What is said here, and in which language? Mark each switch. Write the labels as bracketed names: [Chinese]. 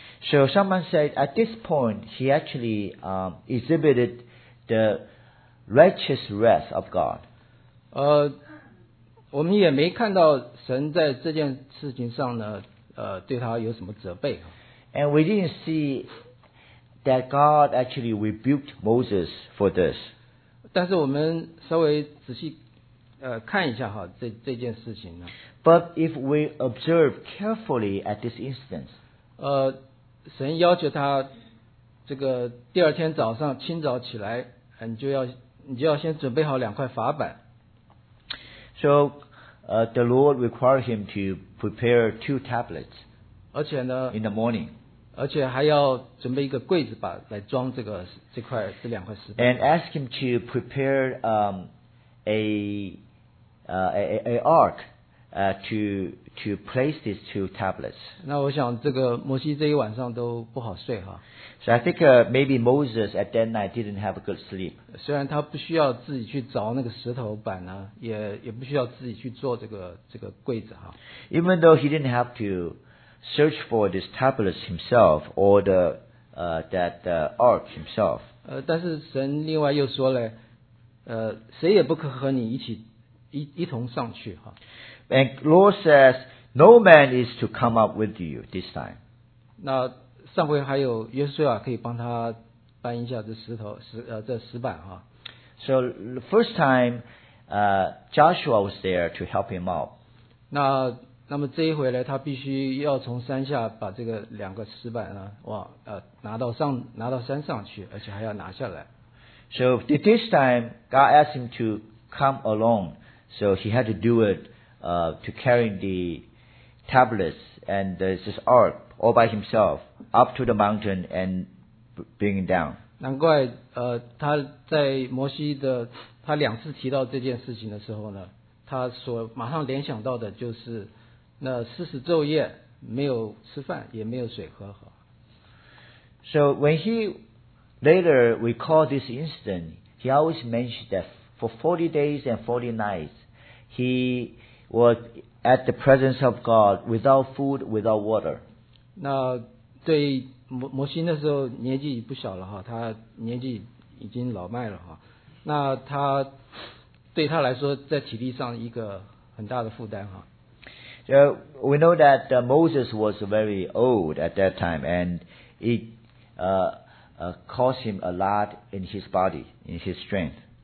[English] So someone said at this point he actually exhibited the righteous wrath of God. [Chinese] 我们也没看到神在这件事情上呢对他有什么责备。 [English] And we didn't see that God actually rebuked Moses for this. [Chinese] 但是我们稍微仔细看一下哈这件事情呢。 [English] But if we observe carefully at this instance, [Chinese] 神要求他这个第二天早上清早起来，你就要先准备好两块法板。 [English] So, the Lord required him to prepare two tablets. [Chinese] 而且呢 [English] ，in the morning， [Chinese] 而且还要准备一个柜子把来装这两块石板。 [English] And ask him to prepare a ark to place these two tablets. [Chinese] 那我想这个摩西这一晚上都不好睡哈。 [English] So I think maybe Moses at that night didn't have a good sleep. [Chinese] 虽然他不需要自己去凿那个石头板呢，也不需要自己去做这个柜子哈。 [English] Even though he didn't have to search for these tablets himself or the ark himself. [Chinese] 但是神另外又说嘞，谁也不可和你一同上去哈。 [English] And Lord says, no man is to come up with you this time. [Chinese] 那上回还有约书亚可以帮他搬一下这石头这石板哈。 [English] So the first time, Joshua was there to help him out. [Chinese] 那么这一回呢，他必须要从山下把这个两个石板呢，拿到山上去，而且还要拿下来。 [English] So this time, God asked him to come alone, so he had to do it. To carry the tablets and this ark all by himself up to the mountain and bring it down. [Chinese] 难怪他在摩西的他两次提到这件事情的时候呢，他所马上联想到的就是那四十昼夜没有吃饭，也没有水喝。 [English] So when he later recalled this incident, he always mentioned that for 40 days and 40 nights, he was at the presence of God without food, without water. [Chinese] 那对摩西那时候年纪不小了，他年纪已经老迈了，那他对他来说在体力上一个很大的负担。 [English] So we know that Moses was very old at that time, and it caused him a lot in his body, in his strength.